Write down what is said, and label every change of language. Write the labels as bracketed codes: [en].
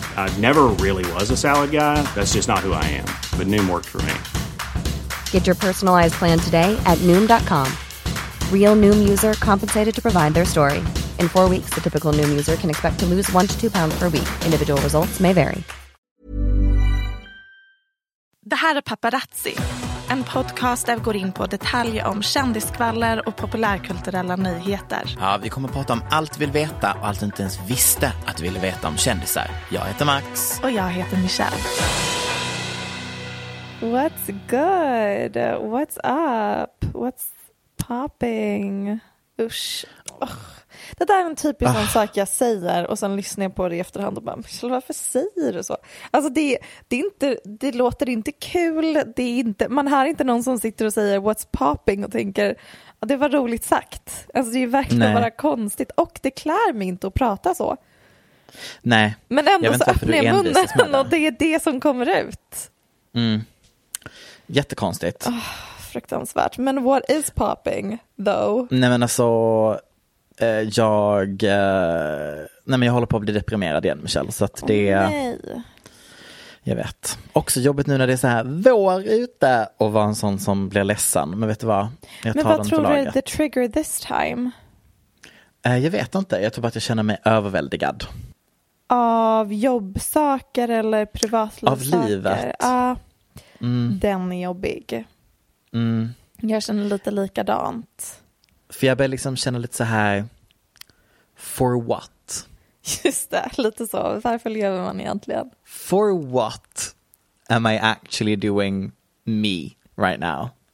[en] I never really was a salad guy. That's just not who I am. But Noom worked for me. Get your personalized plan today at Noom.com. Real Noom user compensated to provide their story. In 4 weeks, the typical Noom user can expect to lose 1 to 2 pounds per week. Individual results may vary. [sv] Det här är Paparazzi, en podcast där vi går in på detaljer om kändiskvaller och populärkulturella nyheter. Ja, vi kommer att prata om allt vi vill veta och allt vi inte ens visste att vi ville veta om kändisar. Jag heter Max. Och jag heter Michelle. [en] What's good? What's up? What's popping? [sv] Usch. [en] Oh. [sv] Det där är en typisk sån sak jag säger och sen lyssnar jag på det i efterhand och bara, varför säger du så? Alltså det låter inte kul, det är inte, man hör inte någon som sitter och säger [en] what's popping [sv] och tänker, det var roligt sagt. Alltså det är verkligen bara konstigt och det klär mig inte att prata så. Nej. Men ändå så öppnar jag munnen och det är det som kommer ut. Mm. Jättekonstigt. [en] Oh, [sv] fruktansvärt. Men [en] what is popping though? [sv] Nej men alltså... Jag håller på att bli deprimerad igen, Michelle. Så att det är... Nej. Jag vet. Också jobbigt nu när det är så här vår ute och vara en sån som blir ledsen. Men vet du vad? Jag tar. Men vad tror du är [en] the trigger this time? [sv] Jag vet inte. Jag tror bara att jag känner mig överväldigad. Av jobbsaker eller privatlivssaker? Av livet. Den är jobbig. Mm. Jag känner lite likadant. För jag börjar liksom känna lite så här, [en] for what? [sv] Just det, lite så. Varför lever man egentligen? [en] For what am I actually doing me right now?